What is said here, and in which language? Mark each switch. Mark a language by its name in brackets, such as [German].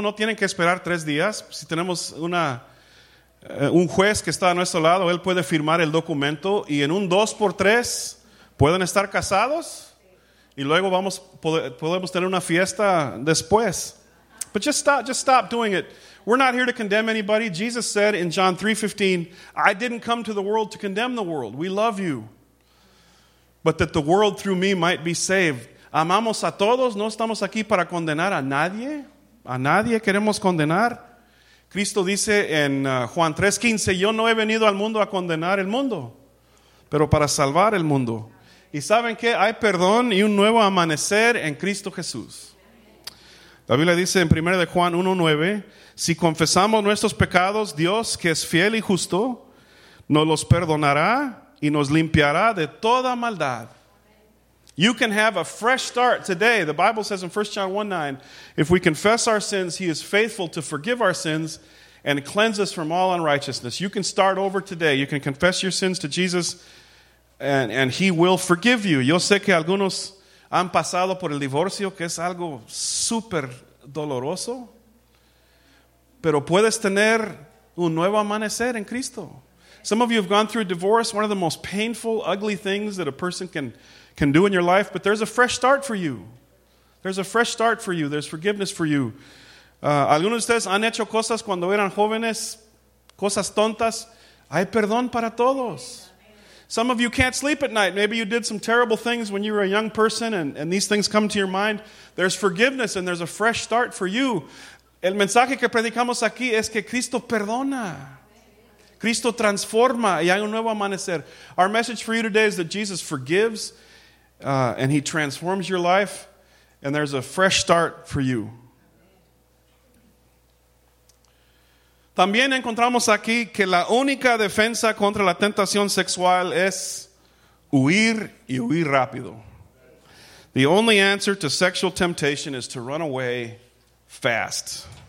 [Spanish] No tienen que esperar 3 días. Si tenemos un juez que está a nuestro lado, él puede firmar el documento y en un 2x3 pueden estar casados y luego podemos tener una fiesta después. [English] But just stop doing it. We're not here to condemn anybody. Jesus said in John 3:15, I didn't come to the world to condemn the world. We love you. But that the world through me might be saved. [Spanish] Amamos a todos. No estamos aquí para condenar a nadie. A nadie queremos condenar. Cristo dice en Juan 3:15, yo no he venido al mundo a condenar el mundo, pero para salvar el mundo. Y saben que hay perdón y un nuevo amanecer en Cristo Jesús. La Biblia dice en 1 de Juan 1:9, si confesamos nuestros pecados, Dios, que es fiel y justo, nos los perdonará y nos limpiará de toda maldad. [English] You can have a fresh start today. The Bible says in 1 John 1:9, if we confess our sins, he is faithful to forgive our sins and cleanse us from all unrighteousness. You can start over today. You can confess your sins to Jesus and he will forgive you. [Spanish] Yo sé que algunos han pasado por el divorcio, que es algo súper doloroso, pero puedes tener un nuevo amanecer en Cristo. [English] Some of you have gone through divorce, one of the most painful, ugly things that a person can do in your life, but there's a fresh start for you. There's a fresh start for you. There's forgiveness for you. [Spanish] Algunos de ustedes han hecho cosas cuando eran jóvenes, cosas tontas. Hay perdón para todos. [English] Some of you can't sleep at night. Maybe you did some terrible things when you were a young person and these things come to your mind. There's forgiveness and there's a fresh start for you. [Spanish] El mensaje que predicamos aquí es que Cristo perdona. Cristo transforma y hay un nuevo amanecer. [English] Our message for you today is that Jesus forgives and he transforms your life and there's a fresh start for you. [Spanish] También encontramos aquí que la única defensa contra la tentación sexual es huir y huir rápido. [English] The only answer to sexual temptation is to run away fast.